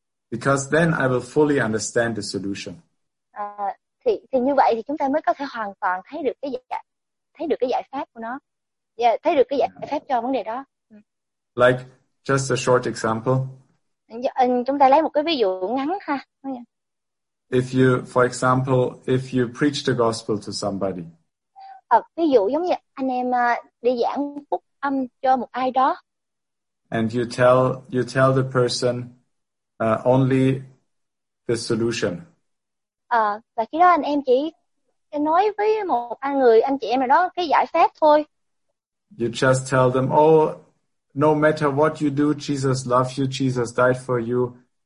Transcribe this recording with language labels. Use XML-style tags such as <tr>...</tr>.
<en>Because then I will fully understand the solution.</en> <vi>Thì như vậy thì chúng ta mới có thể hoàn toàn thấy được cái giải pháp của nó. Yeah, thấy được cái giải pháp cho vấn đề đó.</vi> <en>Like just a short example.</en> <vi>Chúng ta lấy một cái ví dụ ngắn ha.</vi> <en>If you, for example, if you preach the gospel to somebody.</en> <vi>Ví dụ giống như anh em đi giảng phúc âm cho một ai đó.</vi> <en>And you tell the person only the solution.</en> <vi>Và khi đó anh em chỉ nói với một người anh chị em nào đó cái giải pháp thôi.</vi> <en>You just tell them, no matter what you do, Jesus loves you, Jesus died for you.</en>